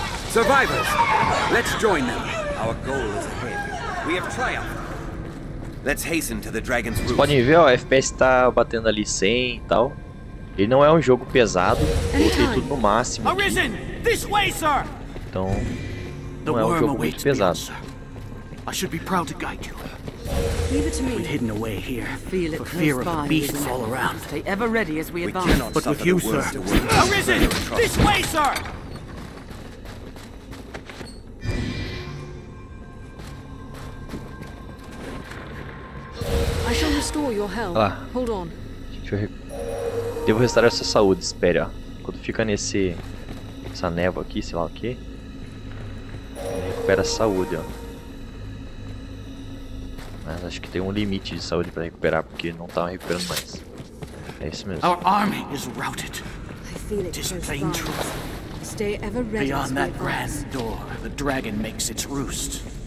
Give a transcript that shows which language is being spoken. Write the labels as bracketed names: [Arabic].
[English] Survivors, let's join them. Our goal is ahead. We have triumphed. Let's hasten to the dragon's roof. [Portuguese] Podem ver, ó, o FPS tá batendo ali 100 e tal. Ele não é um jogo pesado, tem tudo no máximo. [English] Arisen, this way, sir. [Portuguese] Então, não é um jogo muito pesado. [English] I should be proud to guide you. Leave it to me. We've hidden away here. Feel it for fear of the beasts all around. Stay ever ready as we advance. But with you, sir. Arisen! This way, sir! I shall restore your health. Ah. Hold on. [Portuguese] Devo restaurar sua saúde, espere, ó. Quando fica nesse. Essa névoa aqui, sei lá o quê. Recupera a saúde, ó. Mas acho que tem um limite de saúde para recuperar, porque não tá recuperando mais. É isso mesmo. [English] Our army is routed. I feel it. It is plain truth. Stay ever ready. Beyond that grand door, the dragon makes its roost.